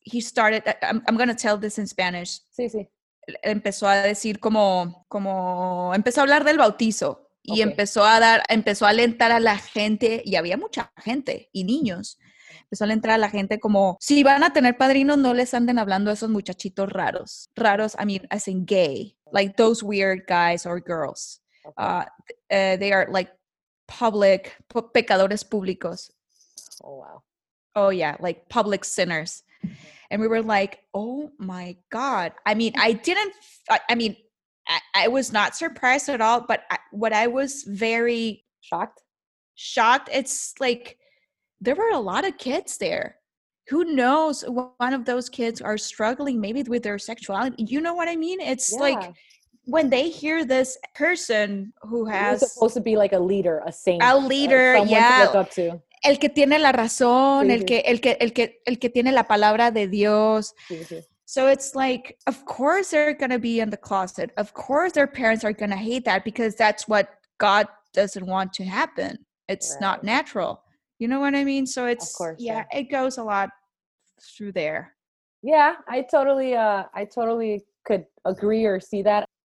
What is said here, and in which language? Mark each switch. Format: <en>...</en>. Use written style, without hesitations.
<en>He started, I'm going to tell this in Spanish.</en> <es>Sí, sí. Empezó a decir como empezó a hablar del bautizo. Okay. Y empezó a alentar a la gente, y había mucha gente, y niños. Empezó a alentar a la gente como, si van a tener padrinos, no les anden hablando a esos muchachitos raros.</es> <en>Raros, I mean, as in gay. Like, those weird guys or girls. Okay. They are, like, public</en> <es>pecadores públicos.</es> <en>Oh, wow. Oh, yeah. Like, public sinners. And we were like, oh, my God. I mean, I was not surprised at all. But what I was very shocked, it's like there were a lot of kids there. Who knows? One of those kids are struggling maybe with their sexuality. You know what I mean? It's like, when they hear this person who has... He's supposed to be like a leader, a saint. A leader, someone to look up to.</en> <es>El que tiene la razón, el que tiene la palabra de Dios.</es> <en>So it's like, of course they're going to be in the closet. Of course their parents are going to hate that because that's what God doesn't want to happen. It's right. Not natural. You know what I mean? So it's, of course, yeah, it goes a lot through there. Yeah, I totally could agree or see that.</en>